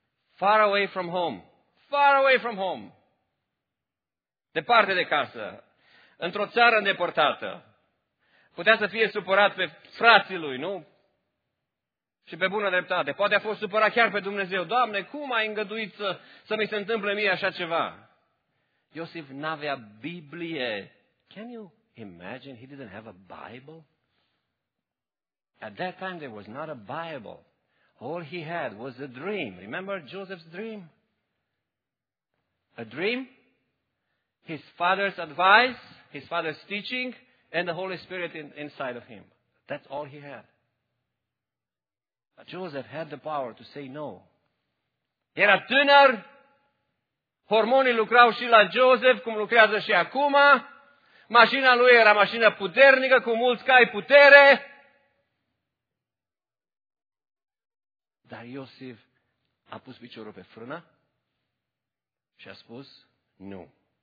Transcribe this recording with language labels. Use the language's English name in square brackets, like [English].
[English] Far away from home. Far away from home. [Romanian] Departe de casă. Într-o țară îndepărtată. Putea să fie supărat pe frații lui, nu? Și pe bună dreptate. Poate a fost supărat chiar pe Dumnezeu. Doamne, cum ai îngăduit să mi se întâmple mie așa ceva? Iosif n-avea Biblie. [English] Can you imagine, he didn't have a Bible. At that time, there was not a Bible. All he had was a dream. Remember Joseph's dream? A dream, his father's advice, his father's teaching, and the Holy Spirit inside of him. That's all he had. But Joseph had the power to say no. [Romanian] Era tânăr, hormonii lucrau și la Joseph, cum lucrează și acum, mașina lui era mașină puternică, cu mulți cai putere. Dar Iosif a pus piciorul pe frână și a spus nu.